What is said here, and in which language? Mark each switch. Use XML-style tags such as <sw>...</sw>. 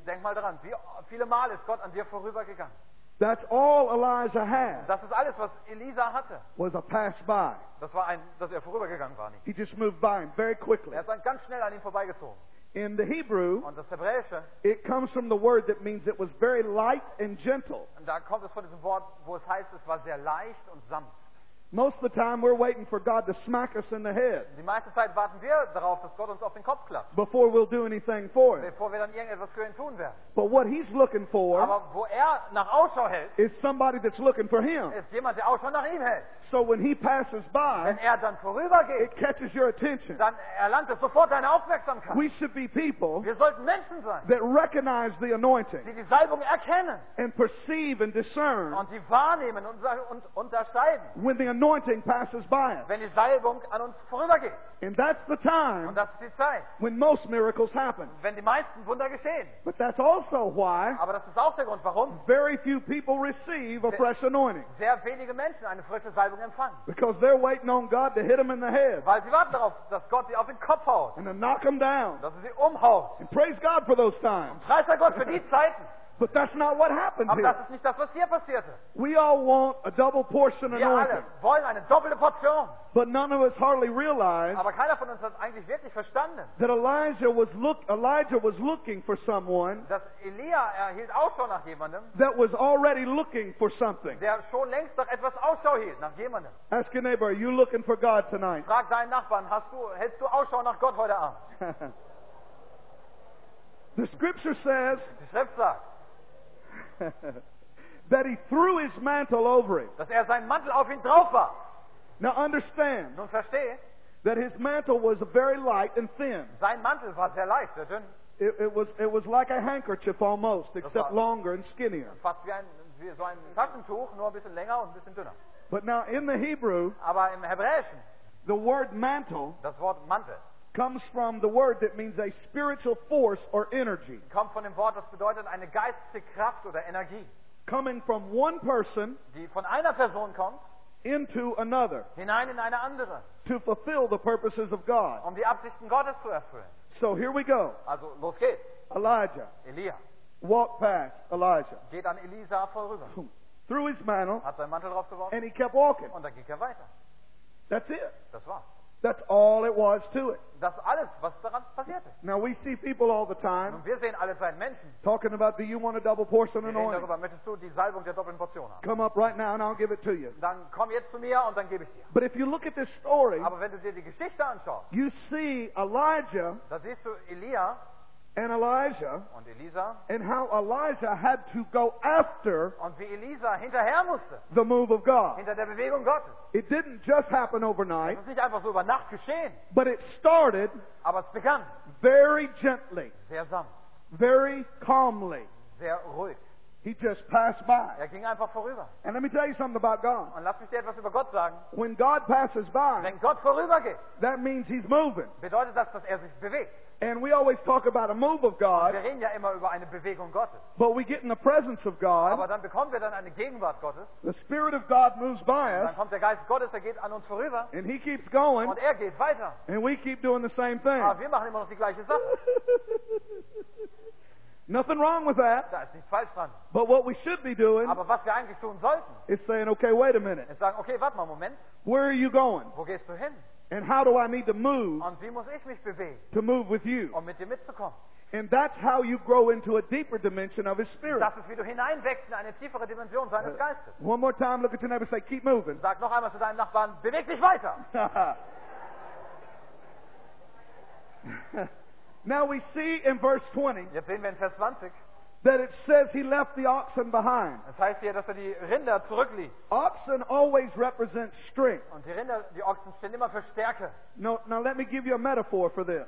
<de>Denk mal daran, wie viele Male ist Gott an dir vorübergegangen.</de> <en>That's all Elijah had.</en> <de>Das ist alles, was Elisa hatte.</de> <en>Was a pass by.</en> <de>Das war ein, dass vorübergegangen war nicht.</de> <en>He just moved by him very quickly.</en> <de>Er ist ganz schnell an ihm vorbeigezogen.</de> <en>In the Hebrew,</en> <de>und das Hebräische,</de> <en>it comes from the word that means it was very light and gentle.</en> <de>Und da kommt es von diesem Wort, wo es heißt, es war sehr leicht und sanft.</de> <en>Most of the time we're waiting for God to smack us in the head.</en> <de>Die meiste Zeit warten wir darauf, dass Gott uns auf den Kopf klappt.</de> <en>Before we'll do anything for him.</en> <de>Bevor wir dann irgendetwas für ihn tun werden.</de> <en>But what he's looking for,</en> <de>aber wo nach Ausschau hält,</de> <en>is somebody that's looking for him.</en> <de>Ist jemand, der Ausschau nach ihm hält.</de> <en>So when he passes by,</en> <de>wenn dann vorübergeht,</de> <en>it catches your attention.</en> <de>Dann erlangt sofort deine Aufmerksamkeit.</de> <en>We should be people,</en> <de>wir sollten Menschen sein,</de> <en>that recognize the anointing,</en> <de>die Salbung erkennen,</de> <en>and perceive and discern,</en> <de>und die wahrnehmen und unterscheiden.</de> <en>When the anointing passes by us.</en> <de>Wenn die Salbung an uns vorübergeht.</de> <en>And that's the time,</en> <de>und das ist die Zeit,</de> <en>when most miracles happen.</en> <de>Wenn die meisten Wunder geschehen.</de> <en>But that's also why,</en> <de>aber das ist auch der Grund, warum</de> <en>very few people receive a fresh anointing.</en> <de>Sehr wenige Menschen eine frische Salbung empfangen.</de> <en>Because they're waiting on God to hit them in the head.</en> <de>Weil sie warten darauf, dass Gott sie auf den Kopf haut.</de> <en>And to knock them down.</en> <de>Dass sie umhaut.</de> <en>And praise God for those times.</en> <de>Und preis sei Gott für die Zeiten.</de> <en>But that's not what happened</en> <de>aber</de> <en>here.</en> <de>Aber das ist nicht das, was hier passierte.</de> <en>We all want a double portion</en> <de>wir</de> <en>anointing.</en> <de>Wir alle wollen eine doppelte Portion.</de> <en>But none of us hardly realized.</en> <de>Aber keiner von uns hat eigentlich wirklich verstanden.</de> <en>That Elijah was looking for someone.</en> <de>Dass Elia hielt Ausschau nach jemandem.</de> <en>That was already looking for something.</en> <de>Der schon längst nach etwas Ausschau hielt nach jemandem.</de> <en>Ask your neighbor, are you looking for God tonight?</en> <de>Frag deinen Nachbarn, hältst du Ausschau nach Gott heute Abend?</de> <en>The Scripture says.</en> <de>Die Schrift sagt.</de> <en>That he threw his mantle over him.</en> <de>Dass seinen Mantel auf ihn drauf war.</de> <en>Now understand.</en> <de>Nun verstehe.</de> <en>That his mantle was very light and thin.</en> <de>Sein Mantel war sehr leicht, sehr dünn.</de> <en>It was like a handkerchief almost, except longer and skinnier.</en> <de>Fast wie so ein Taschentuch, nur ein bisschen länger und ein bisschen dünner.</de> <en>But now in the Hebrew.</en> <de>Aber im Hebräischen.</de> <en>The word mantle.</en> <de>Das Wort Mantel.</de> <en>Comes from the word that means a spiritual force or energy.</en> <de>Kommt von dem Wort, das bedeutet eine geistige Kraft oder Energie.</de> <en>Coming from one person,</en> <de>die von einer Person kommt,</de> <en>into another,</en> <de>hinein in eine andere,</de> <en>to fulfill the purposes of God,</en> <de>die Absichten Gottes zu erfüllen.</de> <en>So here we go.</en> <de>Also los geht's.</de> <en>Elijah.</en> <de>Elia.</de> <en>Walked past Elijah.</en> <de>Geht an Elisa vorüber.</de> <en>Threw his mantle.</en> <de>Hat seinen Mantel draufgeworfen.</de> <en>And he kept walking.</en> <de>Und dann ging weiter.</de> <en>That's it.</en> <de>Das war's.</de> <en>That's all it was to it.</en> <de>Das alles, was daran passierte.</de> <en>Now we see people all the time.</en> <de>Und wir sehen alle Zeit Menschen.</de> <en>Talking about, do you want a double portion anointing?</en> <de>Darüber, möchtest du die Salbung der doppelten Portion haben?</de> <en>Come up right now and I'll give it to you.</en> <de>Dann komm jetzt zu mir und dann gebe ich dir.</de> <en>But if you look at this story,</en> <de>aber wenn du dir die Geschichte anschaust,</de> <en>you see Elijah.</en> <de>Da siehst du Elia.</de> <en>And Elijah.</en> <de>Und Elisa.</de> <en>And how Elijah had to go after.</en> <de>Und wie Elisa hinterher musste.</de> <en>The move of God.</en> <de>Hinter der Bewegung Gottes.</de> <en>It didn't just happen overnight.</en> <de>Es ist nicht einfach so über Nacht geschehen.</de> <en>But it started.</en> <de>Aber es begann.</de> <en>Very gently.</en> <de>Sehr sanft.</de> <en>Very calmly.</en> <de>Sehr ruhig.</de> <en>He just passed by.</en> <de>Er ging einfach vorüber.</de> <en>And let me tell you something about God.</en> <de>Und lass mich dir etwas über Gott sagen.</de> <en>When God passes by,</en> <de>wenn Gott vorübergeht,</de> <en>that means he's moving.</en> <de>Bedeutet das, dass er sich bewegt.</de> <en>And we always talk about a move of God.</en> <de>Wir reden ja immer über eine Bewegung Gottes.</de> <en>But we get in the presence of God.</en> <de>Aber dann bekommen wir dann eine Gegenwart Gottes.</de> <en>The Spirit of God moves by us.</en> <de>Dann kommt der Geist Gottes, er geht an uns vorüber.</de> <en>And he keeps going.</en> <de>Und er geht weiter.</de> <en>And we keep doing the same thing.</en> <de>Aber wir machen immer noch die gleiche Sache.</de> <en>Nothing wrong with that.</en> <de>Da ist nichts falsch dran.</de> <en>But what we should be doing,</en> <de>aber was wir eigentlich tun sollten,</de> <en>is saying, okay, wait a minute.</en> <de>Ist sagen, okay, warte mal, Moment.</de> <en>Where are you going?</en> <de>Wo gehst du hin?</de> <en>And how do I need to move?</en> <de>Und wie muss ich mich bewegen?</de> <en>To move with you.</en> <de>Um mit dir mitzukommen.</de> <en>And that's how you grow into a deeper dimension of His Spirit.</en> <de>Das ist, wie du hineinwächst in eine tiefere Dimension seines Geistes.</de> <en>One more time, look at your neighbor and say, keep moving.</en> <de>Sag noch einmal zu deinem Nachbarn, beweg dich weiter.</de> <en>Now we see in verse 20,</en> <de>jetzt sehen wir in Vers 20</de> <en>that it says he left the oxen behind.</en> <de>Das heißt hier, dass die Rinder zurückließ.</de> <en>Oxen always represent strength.</en> <de>Und die Rinder, die Ochsen stehen immer für Stärke.</de> <en>No, now let me give you a metaphor for this.</en>